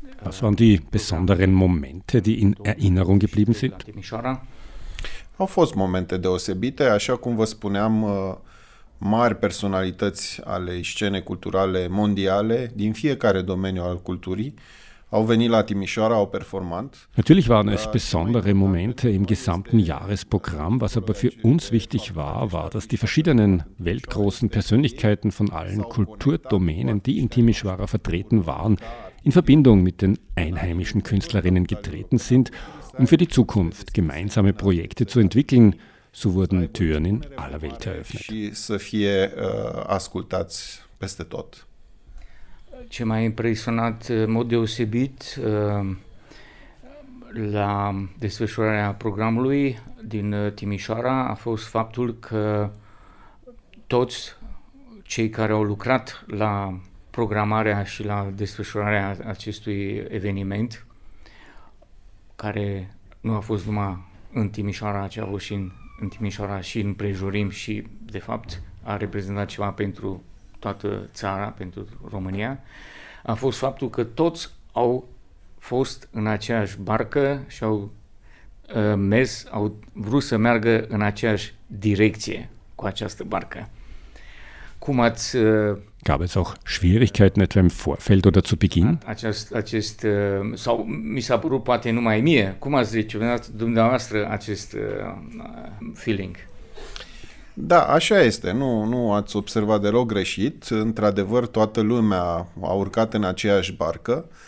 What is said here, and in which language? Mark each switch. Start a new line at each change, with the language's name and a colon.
German: Was waren die besonderen Momente, die in Erinnerung geblieben sind?
Romanian: Au fost momente deosebite, așa cum vă spuneam, mari personalități ale scenei culturale mondiale din fiecare domeniu al culturii au venit la Timișoara, au performat.
German: Natürlich waren es besondere Momente im gesamten Jahresprogramm. Was aber für uns wichtig war, war, dass die verschiedenen weltgroßen Persönlichkeiten von allen Kulturdomänen, die in Timișoara vertreten waren, in Verbindung mit den einheimischen Künstlerinnen getreten sind, um für die Zukunft gemeinsame Projekte zu entwickeln. So wurden Türen in aller Welt eröffnet.
Romanian: Și să fie ascultați peste tot. Ce m-a impresionat mod deosebit la desfășurarea programului din Timișoara a fost faptul că toți cei care au lucrat la programarea și la desfășurarea acestui eveniment, care nu a fost numai în Timișoara, ci a fost și în Timișoara și în prejurim și, de fapt, a reprezentat ceva pentru toată țara, pentru România, a fost faptul că toți au fost în aceeași barcă și au mers, au vrut să meargă în aceeași direcție cu această barcă. Cum ați...
German: Gab es auch Schwierigkeiten etwa im Vorfeld oder zu Beginn?
Romanian: Acest sau mi s-a părut poate numai mie. Cum ați recepționat dumneavoastră acest feeling? Da, așa este. Nu ați observat deloc greșit. Într-adevăr, toată lumea a urcat în aceeași barcă.